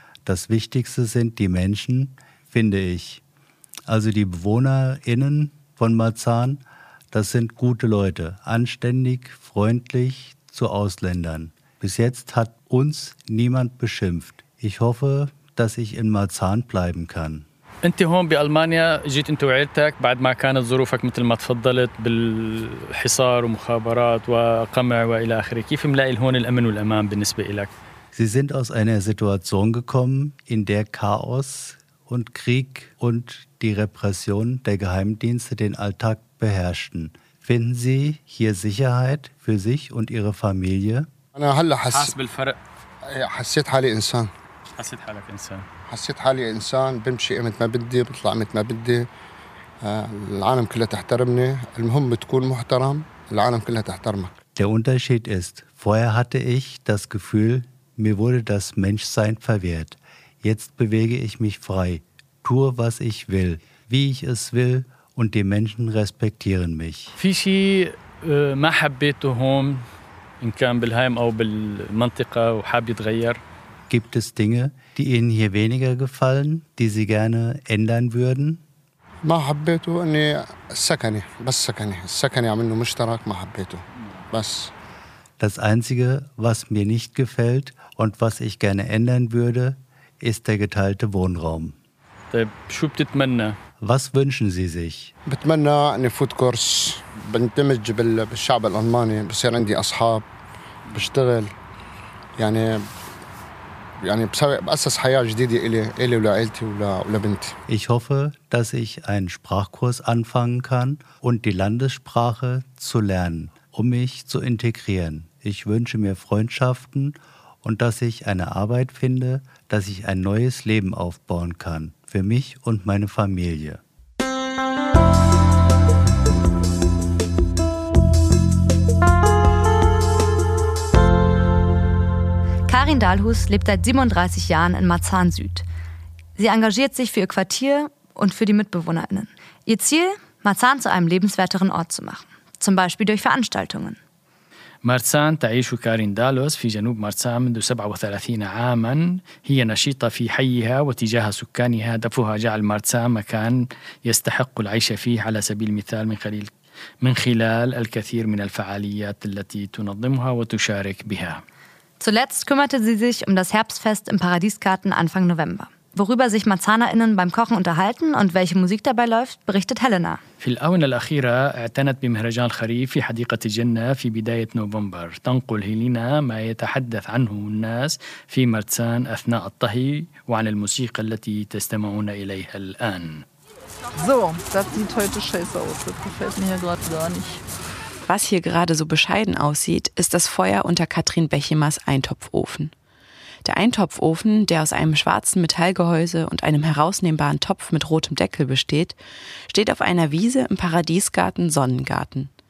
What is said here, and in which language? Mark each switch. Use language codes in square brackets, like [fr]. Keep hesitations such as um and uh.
[de] Das Wichtigste sind die Menschen, finde ich. Also die BewohnerInnen von Marzahn, das sind gute Leute, anständig, freundlich zu Ausländern. Bis jetzt hat uns niemand beschimpft. Ich hoffe, dass ich in Marzahn bleiben kann. [ar] أنت هون بألمانيا جيت أنت وعيلتك بعد ما كانت ظروفك مثل ما تفضلت بالحصار ومخابرات وقمع وإلى آخره كيف ملاقي هون الأمن والأمان بالنسبة لك؟ [de] Sie sind aus einer Situation gekommen, in der Chaos und Krieg und die Repression der Geheimdienste den Alltag beherrschten. Finden Sie hier Sicherheit für sich und Ihre Familie? [ar] أنا هلا حس... حاس بالفرق إيه، حسيت حالي إنسان حسيت حالك إنسان حسيت حالي إنسان بمشي إمتى ما بدي بطلع إمتى ما بدي آه، العالم كلها تحترمني المهم تكون محترم العالم كلها تحترمك [de] Der Unterschied ist, vorher hatte ich das Gefühl, mir wurde das Menschsein verwehrt. Jetzt bewege ich mich frei, tue, was ich will, wie ich es will und die Menschen respektieren mich. [ar] في شيء آه، ما حبيته هون إن كان بالهايم أو بالمنطقة وحاب يتغير [de] Gibt es Dinge, die Ihnen hier weniger gefallen, die Sie gerne ändern würden? [ar] ما حبيته اني السكنه بس سكنه السكنه عم انه مشترك ما حبيته بس [de] Das Einzige, was mir nicht gefällt und was ich gerne ändern würde, ist der geteilte Wohnraum. [ar] طيب شو بتتمنى؟ [de] Was wünschen Sie sich? [ar] بتمنى اني فوت كورس بندمج بال- بالشعب الالماني بصير عندي اصحاب بشتغل يعني يعني بسوي باسس حياه جديده الي الي ولعائلتي ولا- ولبنتي [de] Ich hoffe, dass ich einen Sprachkurs anfangen kann und die Landessprache zu lernen, um mich zu integrieren. Ich wünsche mir Freundschaften und dass ich eine Arbeit finde, dass ich ein neues Leben aufbauen kann, für mich und meine Familie. Karin Dahlhus lebt seit 37 Jahren in Marzahn Süd. Sie engagiert sich für ihr Quartier und für die MitbewohnerInnen. Ihr Ziel? Marzahn zu einem lebenswerteren Ort zu machen. Zum Beispiel durch Veranstaltungen. [ar] مارسان تعيش كارين دالوس في جنوب مارسان منذ 37 عاما هي نشيطة في حيها وتجاه سكانها هدفها جعل مارسان مكان يستحق العيش فيه على سبيل المثال من خلال من خلال الكثير من الفعاليات التي تنظمها وتشارك بها [de] Zuletzt kümmerte sie sich um das Herbstfest im Paradiesgarten Anfang November. Worüber sich MarzanerInnen beim Kochen unterhalten und welche Musik dabei läuft, berichtet Helena. [ar] في الآونة الأخيرة اعتنت بمهرجان الخريف في حديقة الجنة في بداية نوفمبر تنقل هيلينا ما يتحدث عنه الناس في مرتسان أثناء الطهي وعن الموسيقى التي تستمعون إليها الآن [de] So, das sieht heute scheiße aus. Das gefällt mir hier gerade gar nicht. Was hier gerade so bescheiden aussieht, ist das Feuer unter Katrin Bechemers Eintopfofen. Der Eintopfofen, der aus einem schwarzen Metallgehäuse und einem herausnehmbaren Topf mit rotem Deckel besteht, steht auf einer Wiese im Paradiesgarten Sonnengarten.